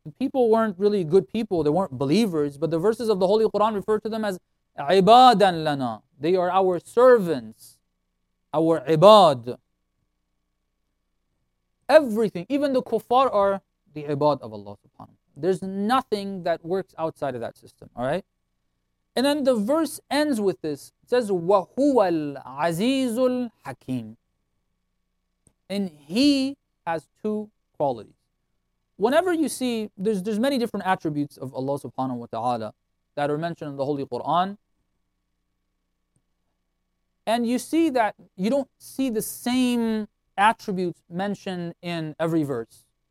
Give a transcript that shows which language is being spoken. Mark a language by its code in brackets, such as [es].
[en] The people weren't really good people. They weren't believers. But the verses of the Holy Quran refer to them as [ar] عِبَادًا لَنَا. [en] They are our servants. Our عِبَاد. Everything, even the kuffar are the عِبَاد of Allah. There's nothing that works outside of that system, all right? And then the verse ends with this. It says, [ar] وَهُوَ الْعَزِيزُ الْحَكِيمُ. [en] And he has two qualities. Whenever you see, there's many different attributes of Allah subhanahu wa ta'ala that are mentioned in the Holy Quran. And you see that you don't see the same attributes mentioned in every verse.